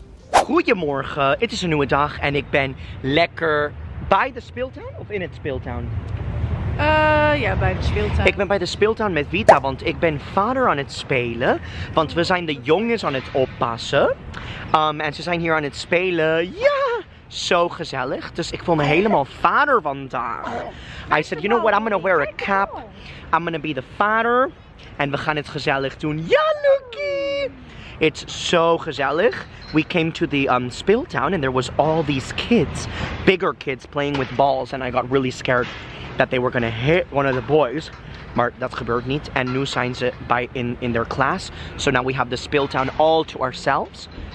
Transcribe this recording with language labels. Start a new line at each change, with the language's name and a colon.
Dutch: Goedemorgen, het is een nieuwe dag en ik ben lekker bij de speeltuin of in het speeltuin? Ja, bij de speeltuin. Ik ben bij de speeltuin met Vita, want ik ben vader aan het spelen. Want we zijn de jongens aan het oppassen. En ze zijn hier aan het spelen. Ja, zo gezellig. Dus ik voel me helemaal vader vandaag.
English: I said, you know what, I'm gonna wear a cap. I'm gonna be the father.
Dutch: En we gaan het gezellig doen.
English: Ja, Lucky! It's so gezellig. We came to the speeltuin and there was all these kids. Bigger kids playing with balls and I got really scared. That they were gonna hit one of the boys.
Dutch: Maar dat gebeurt niet. En nu zijn ze bij
English: in their class. So now we have the speeltown all to ourselves.